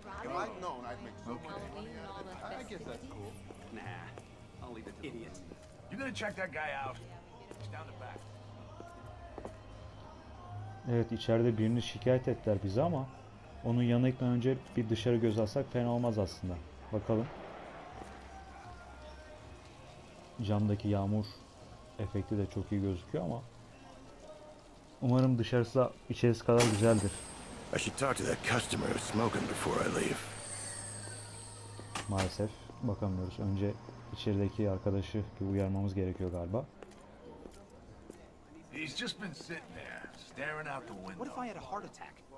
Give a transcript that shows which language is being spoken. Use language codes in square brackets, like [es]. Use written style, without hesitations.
[en] If I'd known, I'd make so much money. I guess that's cool. Nah, I'll leave it to idiots. You gonna check that guy out? He's down the back. [tr] Evet, içeride birini şikayet ettiler bize ama onu yanıkla önce bir dışarı göz atsak fena olmaz aslında. Bakalım. Camdaki yağmur efekti de çok iyi gözüküyor ama umarım dışarısı da içerisi kadar güzeldir. [en] I should talk to that customer who's smoking before I leave. [tr] Maalesef bakamıyoruz. Önce içerideki arkadaşı bir uyarmamız gerekiyor galiba. [en] He's just been sitting there. Staring out the window. What if I had a heart attack?